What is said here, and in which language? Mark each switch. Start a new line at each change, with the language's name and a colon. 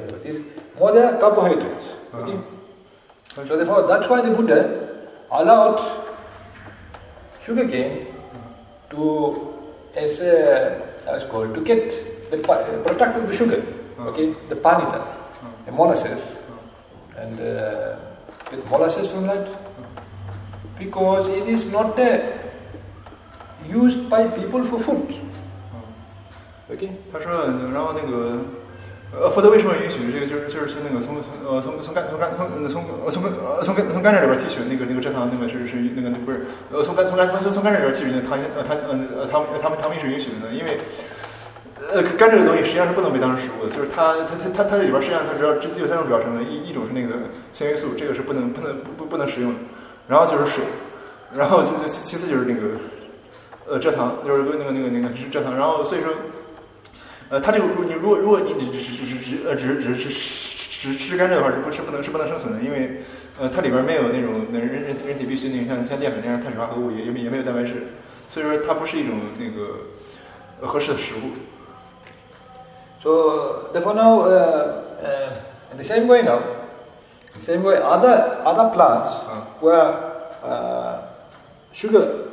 English: It's more than carbohydrates, okay? So therefore, that's why the Buddha allowed sugar cane to, as a, that's called, to get the product of the sugar, okay? The panita, the molasses, and get molasses from that, because it is not theused by people for food. Okay.
Chinese: 他说，然后那个，佛陀为什么允许这个？就是那个从甘蔗里边提取那个蔗糖，那个是那个不是，从甘蔗里边提取那糖蜜是允许的呢？因为，甘蔗的东西实际上是不能被当成食物的，就是它里边实际上它主要只有三种主要成分，一种是那个纤维素，这个是不能食用的，然后就是水，然后其次就是那个。蔗糖就是那个是蔗糖，然后所以说，它这个如果你只吃甘蔗的话，是不能生存的，因为它里边没有那种人体必需那种像淀粉那样碳水化合物，也没有蛋白质，所以说它不是一种那个合适的食物。
English: So therefore now, in the same way now, the same way other plants were sugar.